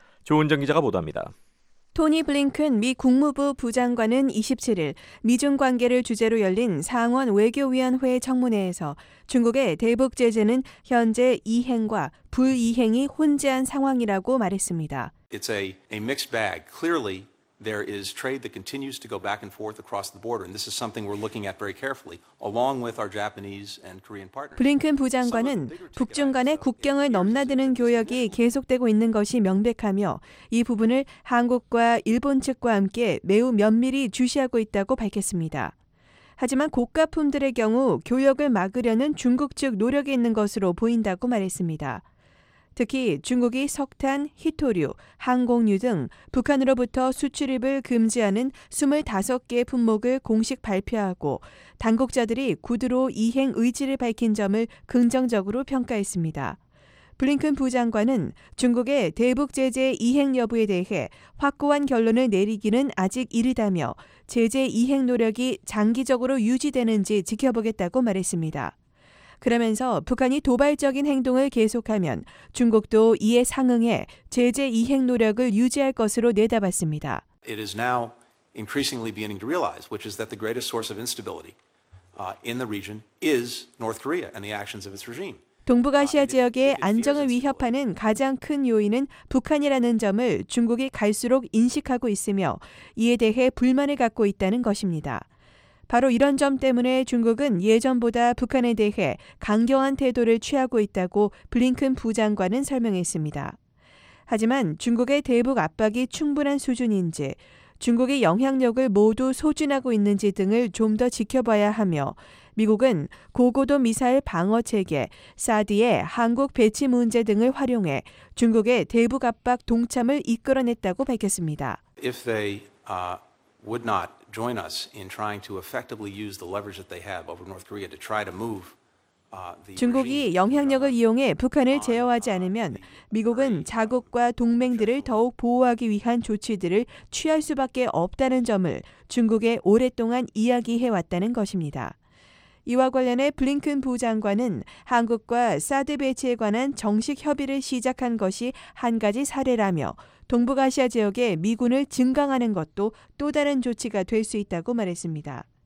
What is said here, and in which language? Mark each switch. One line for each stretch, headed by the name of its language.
Korean: 조은정 기자가 보도합니다. 토니 블링컨 미 국무부 부장관은 27일 미중 관계를 주제로 열린 상원 외교위원회 청문회에서 중국의 대북 제재는 현재 이행과 불이행이 혼재한 상황이라고 말했습니다.
English: It's a mixed bag. Clearly there is trade that continues to go back and forth across the border and this is something we're looking at very carefully along with our Japanese and Korean partners.
Korean: 블링컨 부장관은 북중 간의 국경을 넘나드는 교역이 계속되고 있는 것이 명백하며 이 부분을 한국과 일본 측과 함께 매우 면밀히 주시하고 있다고 밝혔습니다. 하지만 고가품들의 경우 교역을 막으려는 중국 측 노력이 있는 것으로 보인다고 말했습니다. 특히 중국이 석탄, 희토류, 항공유 등 북한으로부터 수출입을 금지하는 25개 품목을 공식 발표하고 당국자들이 구두로 이행 의지를 밝힌 점을 긍정적으로 평가했습니다. 블링컨 부장관은 중국의 대북 제재 이행 여부에 대해 확고한 결론을 내리기는 아직 이르다며 제재 이행 노력이 장기적으로 유지되는지 지켜보겠다고 말했습니다. 그러면서 북한이 도발적인 행동을 계속하면 중국도 이에 상응해 제재 이행 노력을 유지할 것으로 내다봤습니다.
English: It is now increasingly beginning to realize, which is that the greatest source of instability in the region is North Korea and the actions of its regime.
Korean: 동북아시아 지역의 안정을 위협하는 가장 큰 요인은 북한이라는 점을 중국이 갈수록 인식하고 있으며 이에 대해 불만을 갖고 있다는 것입니다. 바로 이런 점 때문에 중국은 예전보다 북한에 대해 강경한 태도를 취하고 있다고 블링컨 부장관은 설명했습니다. 하지만 중국의 대북 압박이 충분한 수준인지 중국의 영향력을 모두 소진하고 있는지 등을 좀 더 지켜봐야 하며 미국은 고고도 미사일 방어체계, 사드의 한국 배치 문제 등을 활용해 중국의 대북 압박 동참을 이끌어냈다고 밝혔습니다.
English: If they would not join us in trying to effectively use the leverage that they have over North Korea to try to move
Korean: 중국이 영향력을 이용해 북한을 제어하지 않으면 미국은 자국과 동맹들을 더욱 보호하기 위한 조치들을 취할 수밖에 없다는 점을 중국에 오랫동안 이야기해왔다는 것입니다. 이와 관련해 블링컨 부장관은 한국과 사드 배치에 관한 정식 협의를 시작한 것이 한 가지 사례라며 동북아시아 지역에 미군을 증강하는 것도 또 다른 조치가 될 수 있다고 말했습니다.